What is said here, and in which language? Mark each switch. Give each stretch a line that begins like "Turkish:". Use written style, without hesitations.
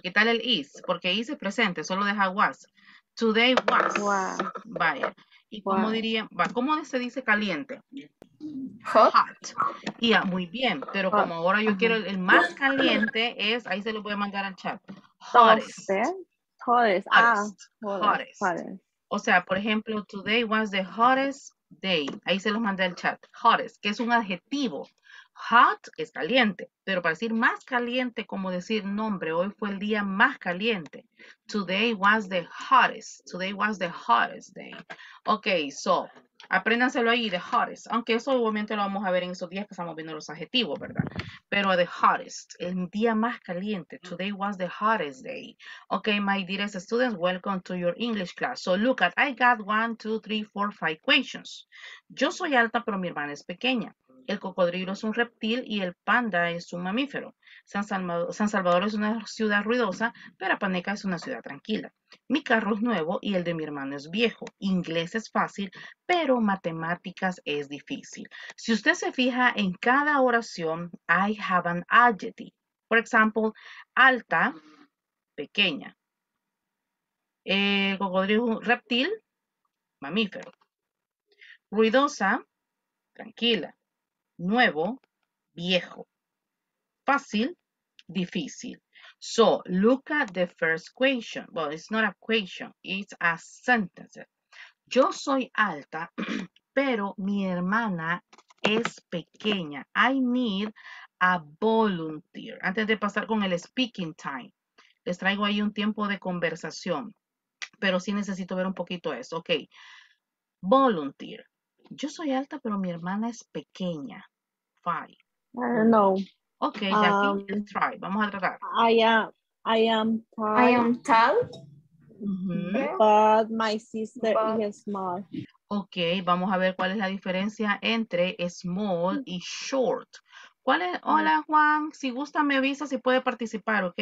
Spanish: ¿qué tal el is? Porque is es presente, solo deja was.
English: Today was. Was.
Spanish: Vaya. ¿Y cómo
English: Was.
Spanish: diría? Va, ¿cómo se dice caliente?
English: Hot.
Spanish: Hot. Ya, muy bien. Pero
English: Hot.
Spanish: como ahora yo quiero el más caliente es, ahí se lo voy a mandar al chat.
English: Hottest. Tofte. Hottest. Ah, Hottest. hottest. Hottest. Hottest.
Spanish: O sea, por ejemplo,
English: today was the hottest day.
Spanish: Ahí se los mandé al chat. Hottest, que es un adjetivo. Hot es caliente, pero para decir más caliente, como decir nombre, hoy fue el día más caliente.
English: Today was the hottest. Today was the hottest day.
Spanish: Ok, so, apréndanselo ahí, the hottest. Aunque eso obviamente lo vamos a ver en esos días que estamos viendo los adjetivos, ¿verdad? Pero the hottest, el día más caliente.
English: Today was the hottest day. Ok, my dearest students, welcome to your English class. So, look at, I got one, two, three, four, five questions.
Spanish: Yo soy alta, pero mi hermana es pequeña. El cocodrilo es un reptil y el panda es un mamífero. San Salvador es una ciudad ruidosa, pero Apaneca es una ciudad tranquila. Mi carro es nuevo y el de mi hermano es viejo. Inglés es fácil, pero matemáticas es difícil. Si usted se fija en cada oración,
English: I have an adjective.
Spanish: Por ejemplo, alta, pequeña. El cocodrilo es un reptil, mamífero. Ruidosa, tranquila. Nuevo, viejo. Fácil, difícil.
English: So, look at the first question. Well, it's not a question, it's a sentence.
Spanish: Yo soy alta, pero mi hermana es pequeña.
English: I need a volunteer.
Spanish: Antes de pasar con el speaking time, les traigo ahí un tiempo de conversación, pero sí necesito ver un poquito eso. Ok. Volunteer. Yo soy alta, pero mi hermana es pequeña. No.
English: Okay, Jackie, let's try.
Spanish: Vamos a tratar.
English: I am tall, but my sister is small.
Spanish: Okay, vamos a ver cuál es la diferencia entre small y short. ¿Cuál es? Hola, Juan. Si gusta, me avisa si puede participar, ¿ok?